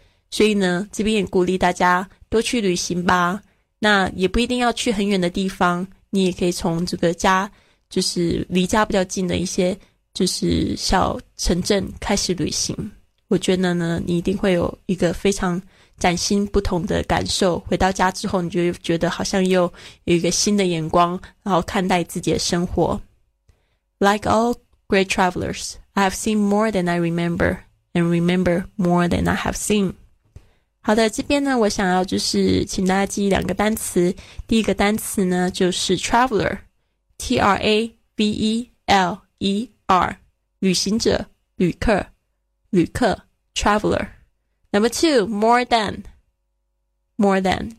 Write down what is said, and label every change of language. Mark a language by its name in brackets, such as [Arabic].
[Chinese] 所以呢这边也鼓励大家多去旅行吧，那也不一定要去很远的地方，你也可以从这个家就是离家比较近的一些就是小城镇开始旅行，我觉得呢你一定会有一个非常崭新不同的感受，回到家之后你就觉得好像又有一个新的眼光然后看待自己的生活。 [English] Like all great travelers, I have seen more than I remember, and remember more than I have seen. [Chinese] 好的，这边呢我想要就是请大家记两个单词，第一个单词呢就是 traveler, T-R-A-V-E-L-E-R, 旅行者旅客 traveler。 [English] Number two, more than. More than.